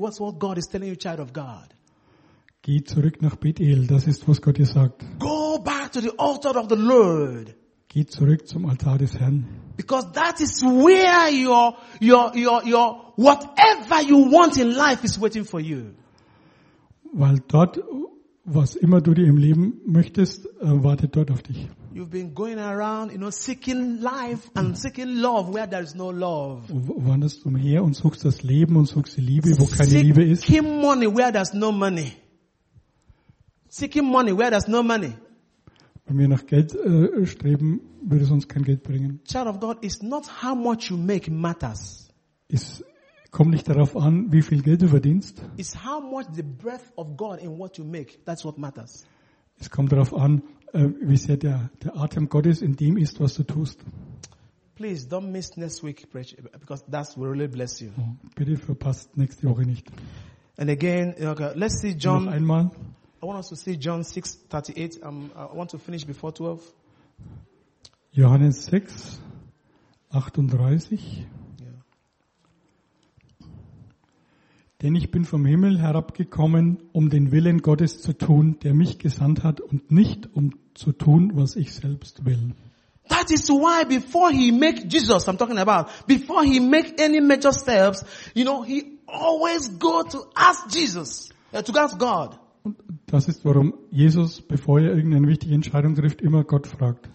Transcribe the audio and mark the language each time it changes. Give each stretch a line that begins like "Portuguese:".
English: What's what God is telling you, child of God.
German: Geh zurück nach Bethel. Das ist, was Gott dir sagt.
English: Go back to the altar of the Lord.
German: Geh zurück zum Altar des Herrn.
English: Because that is where your whatever you want in life is waiting for you.
German: Weil dort, was immer du dir im Leben möchtest, wartet dort auf dich.
English: You've been going around, you know, seeking life and seeking love where there is no love.
German: Wanderst umher und suchst das Leben und suchst die Liebe, wo keine Liebe ist.
English: Seeking money where there's no money. Seeking money where there's no money.
German: Wenn wir nach Geld streben, würde es uns kein Geld bringen.
English: Child of God, it's not how much you make matters.
German: Es kommt nicht darauf an, wie viel Geld du verdienst.
English: It's how much the breath of God in what you make. That's what matters.
German: Es kommt darauf an, wie sehr der Atem Gottes in dem ist, was du tust.
English: Please don't miss next week preach because that will really bless you. Oh,
German: bitte verpasst nächste Woche nicht.
English: And again, okay, let's see John.
German: Noch einmal.
English: I want us to see John 6:38. I want to finish before 12.
German: Johannes 6, 38. Denn ich bin vom Himmel herabgekommen, um den Willen Gottes zu tun, der mich gesandt hat, und nicht um zu tun, was ich selbst will.
English: That is why before he make Jesus, I'm talking about, before he make any major steps, you know, he always go to ask Jesus, to ask God.
German: Und das ist, warum Jesus, bevor er irgendeine wichtige Entscheidung trifft, immer Gott fragt.